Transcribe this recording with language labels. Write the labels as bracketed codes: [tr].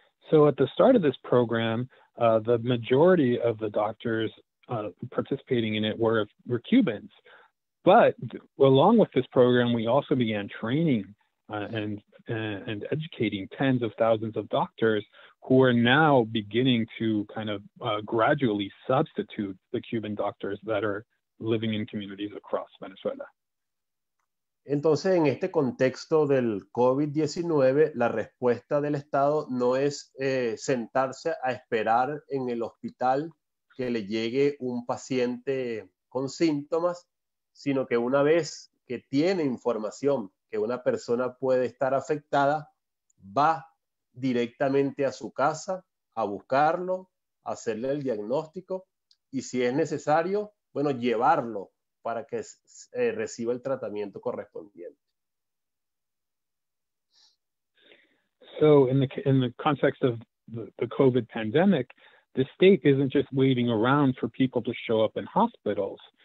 [en] So at the start of this program, the majority of the doctors participating in it were Cubans. But along with this program, we also began training and and educating tens of thousands of doctors who are now beginning to kind of gradually substitute the Cuban doctors that are living in communities across Venezuela. [es] Entonces, en este contexto del COVID-19, la respuesta del Estado no es sentarse a esperar en el hospital que le llegue un paciente con síntomas, sino que una vez que tiene información que una persona puede estar afectada, va directamente a su casa a buscarlo, hacerle el diagnóstico y si es necesario, bueno, llevarlo para que reciba el tratamiento correspondiente. [en] So in the context of the COVID pandemic, the state isn't just waiting around for people to show up in hospitals.